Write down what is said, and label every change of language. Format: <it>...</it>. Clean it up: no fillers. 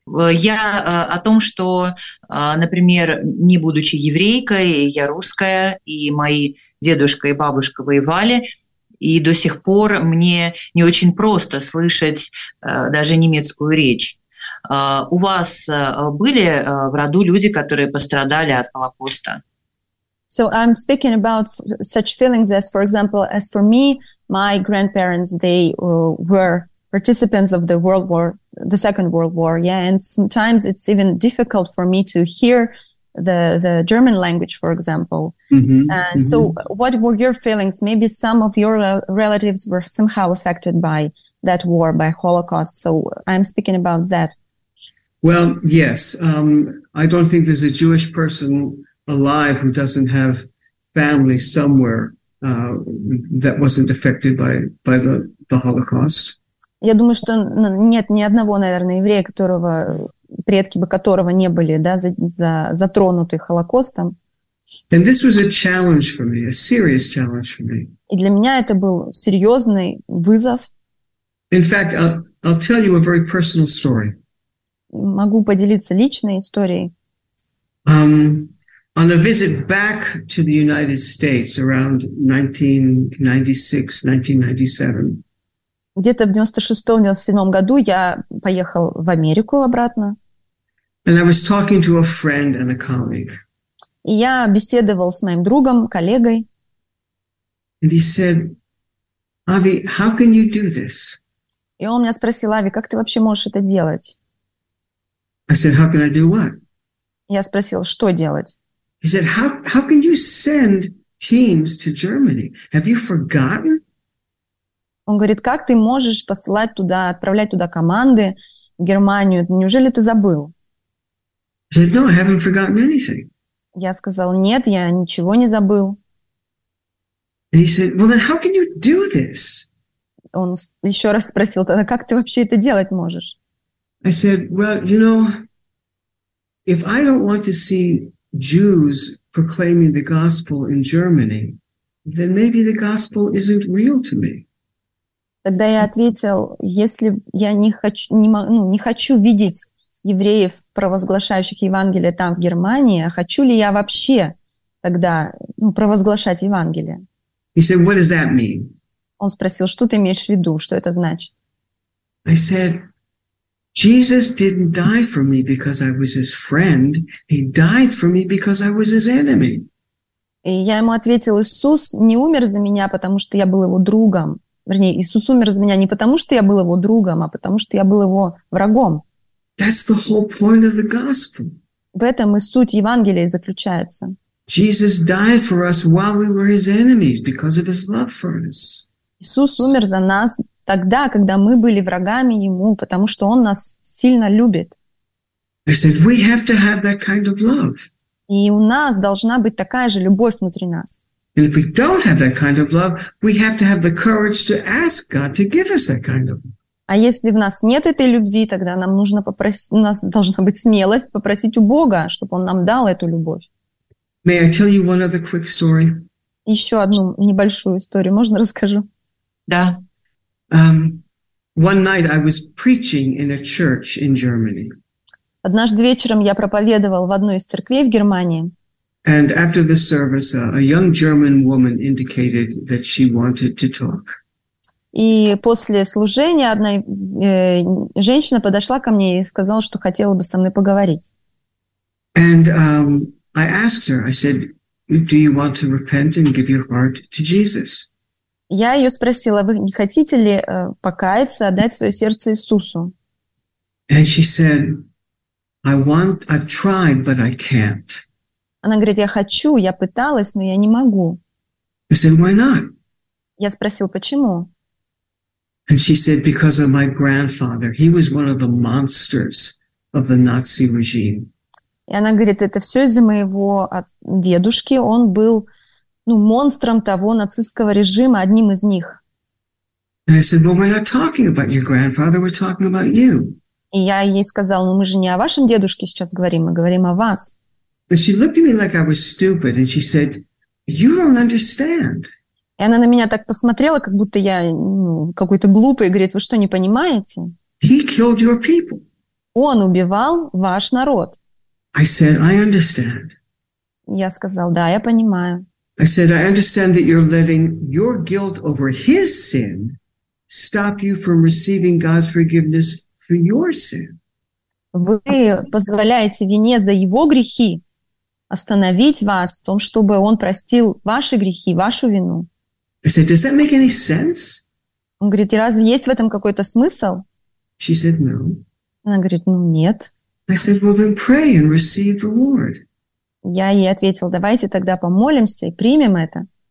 <ru>Я о том, что, например, не будучи еврейкой, я русская, и мои дедушка и бабушка воевали, и до сих пор мне не очень просто слышать даже немецкую речь. У вас были в роду люди, которые пострадали от Холокоста?</ru> <en>So I'm speaking about such feelings as, for example, as for me, my grandparents, they were participants of the World War, the Second World War, yeah, and sometimes it's even difficult for me to hear the German language, for example. So what were your feelings? Maybe some of your relatives were somehow affected by that war, by Holocaust. So I'm speaking about that. Well, yes. I don't think there's a Jewish person alive who doesn't have family somewhere that wasn't affected by the Holocaust.</en> <ru>Я думаю, что нет ни одного, наверное, еврея, которого предки бы которого не были, да, затронуты Холокостом.</ru> <en>And this was a challenge for me, a serious challenge for me.</en> <ru>И для меня это был серьезный вызов.</ru> <en>In fact, I'll tell you a very personal story.</en> <ru>Могу поделиться личной историей.</ru> <en>On a visit back to the United States around 1996-1997.</en> <ru>Где-то в 96-97 году я поехал в Америку обратно.</ru> <en>And I was talking to a friend and a colleague.</en> <ru>И я беседовал с моим другом, коллегой.</ru> <en>And he said, Avi, how can you do this?</en> <ru>И он меня спросил, Ави, как ты вообще можешь это делать?</ru> <en>I said, how can I do what?</en> <ru>Я спросил, что делать?</ru> <en>He said, how can you send teams to Germany? Have you forgotten?</en> <ru>Он говорит, как ты можешь посылать туда, отправлять туда команды в Германию? Неужели ты забыл?</ru> <en>He said, no, I haven't forgotten anything.</en> <ru>Я сказал, нет, я ничего не забыл.</ru> <en>And he said, well, then how can you do this?</en> <ru>Он еще раз спросил, тогда как ты вообще это делать можешь?</ru> <en>I said, well, you know, if I don't want to see Jews proclaiming the gospel in Germany, then maybe the gospel isn't real to me.</en> <ru>Тогда я ответил, если я не хочу видеть евреев, провозглашающих Евангелие там, в Германии, а хочу ли я вообще тогда провозглашать Евангелие?</ru> <en>He said, what does that mean?</en> <ru>Он спросил, что ты имеешь в виду, что это значит?</ru> <en>I said, Jesus didn't die for me because I was his friend. He died for me because I was his enemy.</en> <ru>И я ему ответил, Иисус не умер за меня, потому что я был его другом. Вернее, Иисус умер за меня не потому, что я был его другом, а потому что я был его врагом.</ru> <en>That's the whole point of the gospel.</en> <ru>В этом и суть Евангелия заключается.</ru> <en>Jesus died for us while we were his enemies because of his love for us.</en> <ru>Иисус умер за нас тогда, когда мы были врагами Ему, потому что Он нас сильно любит.</ru> <en>I said, we have to have that kind of love.</en> <ru>И у нас должна быть такая же любовь внутри нас.</ru> <en>And if we don't have that kind of love, we have to have the courage to ask God to give us that kind of love.</en> <ru>А если в нас нет этой любви, тогда нам нужно попросить, у нас должна быть смелость попросить у Бога, чтобы Он нам дал эту любовь.</ru> <en>May I tell you one other quick story?</en> <ru>Еще одну небольшую историю можно расскажу? Да.</ru> <en>One night I was preaching in a church in Germany.</en> <ru>Однажды вечером я проповедовал в одной из церквей в Германии.</ru> <en>And after the service, a young German woman indicated that she wanted to talk.</en> <ru>И после служения одна женщина подошла ко мне и сказала, что хотела бы со мной поговорить.</ru> <en>And I asked her, I said, do you want to repent and give your heart to Jesus?</en> <ru>Я ее спросила, вы не хотите ли покаяться, отдать свое сердце Иисусу?</ru> <en>And she said, I've tried, but I can't.</en> <ru>Она говорит, я хочу, я пыталась, но я не могу.</ru> <en>I said, why not?</en> <ru>Я спросил, почему?</ru> <en>And she said, because of my grandfather. He was one of the monsters of the Nazi regime.</en> <ru>И она говорит, это все из-за моего дедушки, он был... монстром того нацистского режима, одним из них.</ru> <en>And I said, well, we're not talking about your grandfather, we're talking about you.</en> <ru>И я ей сказал, мы же не о вашем дедушке сейчас говорим, мы говорим о вас.</ru> <en>And she looked at me like I was stupid, and she said, you don't understand.</en> <ru>И она на меня так посмотрела, как будто я какой-то глупый, и говорит, вы что, не понимаете?</ru> <en>He killed your people.</en> <ru>Он убивал ваш народ.</ru> <en>I said, I understand.</en> <ru>Я сказал, да, я понимаю.</ru> <en>I said, I understand that you're letting your guilt over his sin stop you from receiving God's forgiveness for your sin.</en> <ru>Вы позволяете вине за его грехи остановить вас в том, чтобы он простил ваши грехи, вашу вину.</ru> <en>I said, does that make any sense?</en> <ru>Он говорит, разве есть в этом какой-то смысл?</ru> <en>She said, no.</en> <ru>Она говорит, нет.</ru> <en>I said, well, then pray and receive reward.</en> <ru>Я ей ответил, давайте тогда помолимся и примем это.</ru>